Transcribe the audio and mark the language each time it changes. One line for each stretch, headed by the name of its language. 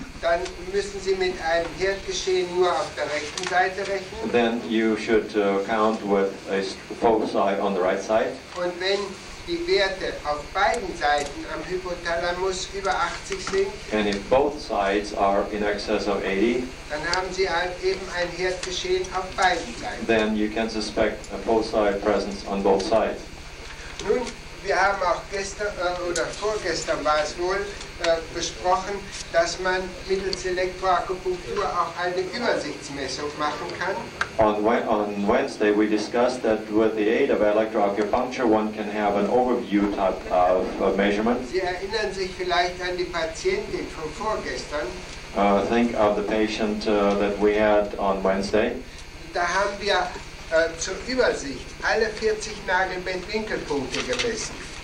German: Dann müssen Sie mit einem Herdgeschehen nur auf der rechten Seite rechnen.
English: Then you should count with a focus eye on the right side.
German: Und wenn die Werte auf beiden Seiten am Hypothalamus über 80 sind,
English: and if both sides are in excess of 80,
German: dann haben Sie eben ein Herdgeschehen auf beiden Seiten.
English: Then you can suspect a focus eye presence on both sides.
German: Nun, wir haben auch gestern oder vorgestern war es wohl besprochen, dass man mittels Elektroakupunktur auch eine Übersichtsmessung machen kann.
English: On Wednesday we discussed that with the aid of electroacupuncture one can have an overview type of measurement.
German: Sie erinnern sich vielleicht an die Patientin von vorgestern.
English: Think of the patient that we had on Wednesday.
German: Da haben wir zur Übersicht alle 40 Nagelbettwinkelpunkte gemessen.